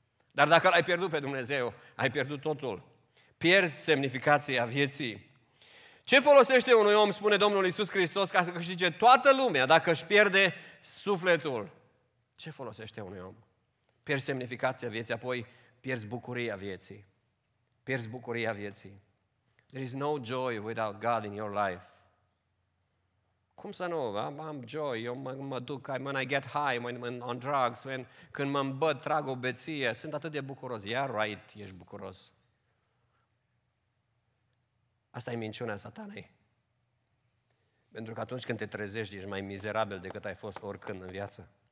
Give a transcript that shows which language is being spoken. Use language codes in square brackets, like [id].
[ro] Dar dacă l-ai pierdut pe Dumnezeu, ai pierdut totul. Pierzi semnificația vieții. Ce folosește unui om, spune Domnul Iisus Hristos, ca să câștige toată lumea dacă își pierde sufletul? Ce folosește unui om? Pierzi semnificația vieții, apoi pierzi bucuria vieții. Pierzi bucuria vieții. [en] There is no joy without God in your life. [ro] Cum să nu? Am joy, eu mă duc, [en] when I get high, when on drugs, when, [ro] când mă îmbăt, trag o beție, sunt atât de bucuros. [en] Yeah, right, [ro] ești bucuros. Asta e minciunea satanei. Pentru că atunci când te trezești, ești mai mizerabil decât ai fost oricând în viață.